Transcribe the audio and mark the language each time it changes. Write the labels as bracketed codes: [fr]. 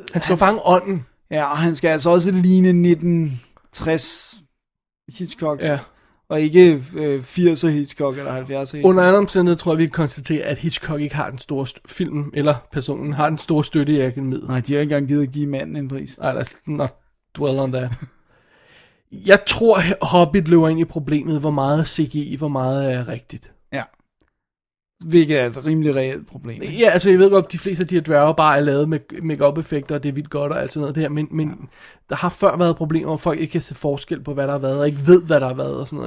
[da] Han skal fange ånden. Ja, og han skal altså også ligne 1960 Hitchcock. Ja. Og ikke 80'er Hitchcock eller 70'er Hitchcock. Under andre omstændigheder tror jeg, vi kan konstatere, at Hitchcock ikke har den store film, eller personen har den store støtte i akademiet. Nej, de har ikke engang givet at give manden en pris. [en] Nej, let's not dwell on that. [da] Jeg tror, Hobbit løber ind i problemet, hvor meget CGI, hvor meget er rigtigt. Ja. Hvilket er et rimelig reelt problem. Ikke? Ja, altså jeg ved godt, de fleste af de her dværge bare er lavet med make-up-effekter, og det er vildt godt og alt sådan noget der, men ja. Der har før været problemer, hvor folk ikke kan se forskel på, hvad der har været, og ikke ved, hvad der har været og sådan noget.